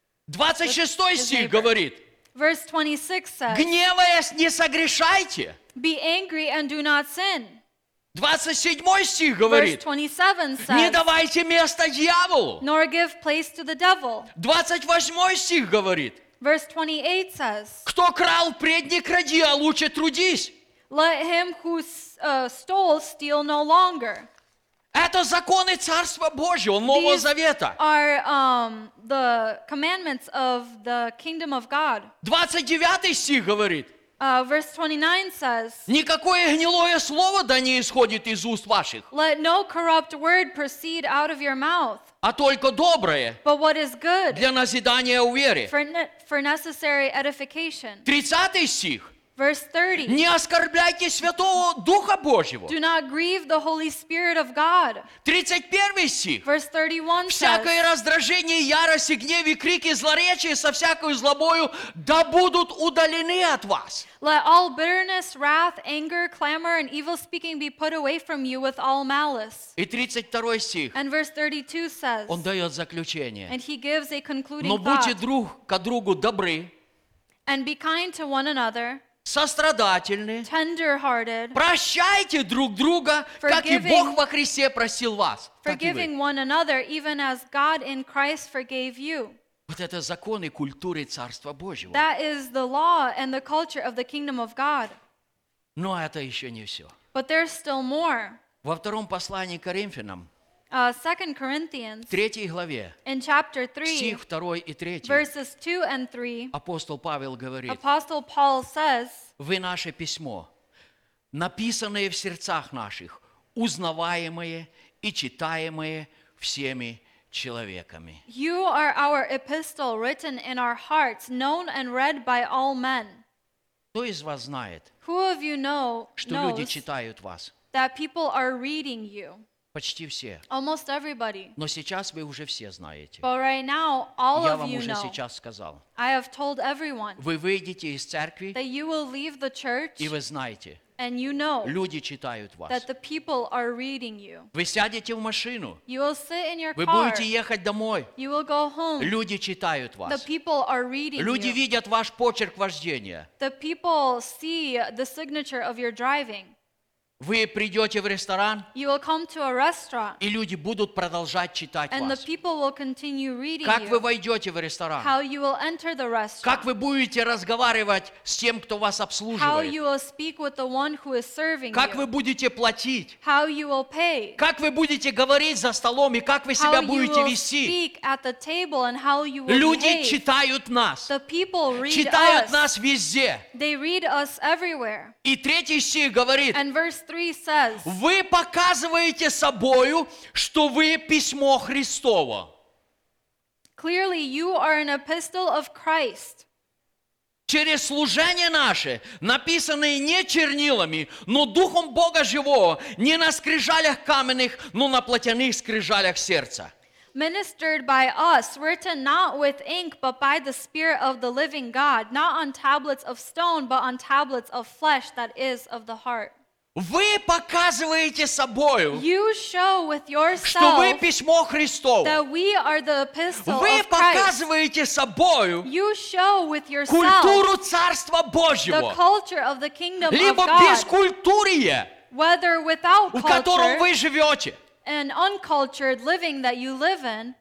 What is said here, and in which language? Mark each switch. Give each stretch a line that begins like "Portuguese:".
Russian: 26 стих говорит.
English: Verse 26 says.
Russian: Гневаясь, не согрешайте.
English: Be angry and do not sin.
Russian: 27 стих говорит.
English: Verse 27 says.
Russian: Не давайте место дьяволу.
English: Nor give place to the devil.
Russian: 28 стих говорит.
English: Verse 28 says.
Russian: Кто крал, предни кради, а лучше трудись.
English: Let him who stole steal no longer.
Russian: Это законы Царства Божьего, Нового Завета.
English: These are the commandments of the kingdom of God.
Russian: 29 стих говорит.
English: Verse 29 says.
Russian: Никакое гнилое слово да не исходит из уст ваших.
English: Let no corrupt word proceed out of your mouth.
Russian: А только доброе.
English: But what is good.
Russian: Для назидания у веры.
English: For necessary edification.
Russian: 30 стих.
English: Verse 30.
Russian: Не оскорбляйте Святого Духа Божьего.
English: Do not grieve the Holy Spirit of God.
Russian: 31 стих.
English: Verse 31 says.
Russian: Всякое раздражение, ярость, гнев, крики, злоречие со всякою злобою да будут удалены от вас.
English: Let all bitterness, wrath, anger, clamor, and evil speaking be put away from you with all malice.
Russian: И 32 стих.
English: And verse 32 says.
Russian: Он дает заключение.
English: And he gives a concluding thought.
Russian: Но будьте друг к другу добры.
English: And be kind to one another.
Russian: Сострадательны,
English: tender-hearted,
Russian: прощайте друг друга, как и Бог во Христе простил вас.
English: Forgiving one another, even as God in Christ forgave you.
Russian: Вот это законы культуры Царства Божьего.
English: That is the law and the culture of the kingdom of God.
Russian: Но это еще не все.
English: But there's still more.
Russian: Во втором послании к Коринфянам,
English: 2 Corinthians,
Russian: в третьей главе,
English: in chapter 3,
Russian: стих 2 и 3,
English: verses 2 and 3,
Russian: апостол Павел говорит,
English: Apostle Paul says,
Russian: «Вы наше письмо, написанное в сердцах наших, узнаваемое и читаемое всеми человеками».
English: You are our epistle written in our hearts, known and read by all men.
Russian: Кто из вас знает,
English: who of you know,
Russian: что люди читают вас?
English: That people are reading you.
Russian: Почти все.
English: Almost everybody.
Russian: Но сейчас вы уже все знаете.
English: But right now, all
Russian: Я
English: of
Russian: вам
English: you
Russian: уже
English: know.
Russian: Сейчас сказал.
English: I have told everyone.
Russian: Вы выйдете из церкви.
English: That you will leave the church.
Russian: И вы знаете.
English: And you know.
Russian: Люди читают вас.
English: That the people are reading you.
Russian: Вы сядете в машину.
English: You will sit in your
Russian: вы
English: car.
Russian: Вы будете ехать домой.
English: You will go home.
Russian: Люди читают вас.
English: The people are reading
Russian: Люди Люди видят ваш почерк вождения.
English: The people see the signature of your driving.
Russian: Вы придете в ресторан,
English: you will come to a restaurant,
Russian: и люди будут продолжать читать
English: and
Russian: вас.
English: The people will continue reading
Russian: как вы войдете в ресторан?
English: How you will enter the restaurant.
Russian: Как вы будете разговаривать с тем, кто вас обслуживает?
English: How you will speak with the one who is serving
Russian: как
English: you.
Russian: Вы будете платить?
English: How you will pay.
Russian: Как вы будете говорить за столом, и как вы
English: how
Russian: себя будете вести?
English: Speak at the table and how you will
Russian: люди
English: behave.
Russian: Читают нас.
English: The people read
Russian: читают
English: us.
Russian: Нас везде.
English: They read us everywhere.
Russian: И третий стих говорит,
English: and verse 3 says,
Russian: вы показываете собою, что вы письмо Христово.
English: Clearly, you are an epistle of Christ.
Russian: Через служение наше, написанное не чернилами, но Духом Бога Живого, не на скрижалях каменных, но на платяных скрижалях сердца.
English: Ministered by us, written not with ink, but by the Spirit of the living God, not on tablets of stone, but on tablets of flesh, that is, of the heart.
Russian: Вы показываете собою,
English: you show with yourself,
Russian: что вы письмо Христово.
English: That we are the epistle
Russian: вы
English: of Christ.
Russian: Показываете собою
English: you show with yourself,
Russian: культуру Царства Божьего.
English: The culture of the kingdom
Russian: либо
English: of God,
Russian: бескультурие,
English: whether without culture,
Russian: в котором вы живете.
English: An uncultured living that you live in.